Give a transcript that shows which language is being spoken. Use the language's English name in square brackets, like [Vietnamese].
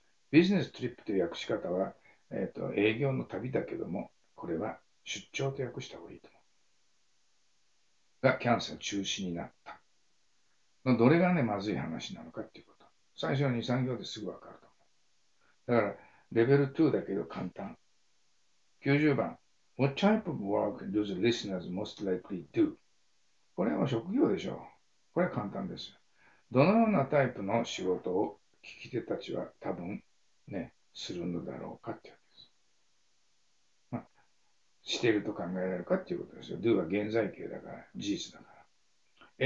[Japanese] ビジネストリップという訳し方は、営業の旅だけども、これは出張と訳した方がいいと思う。がキャンセル中止になった。どれがね、まずい話なのかっていうこと。最初は2、3行ですぐ分かると思う。だから、レベル2だけど簡単。 90番。 [English] What type of work do the listeners most likely do? [Japanese] これはもう職業でしょう。これは簡単です。どのようなタイプの仕事を聞き手たちは多分ね、するのだろうかっていう。していると考えられるかということですよ。do は現在形だから、事実だから。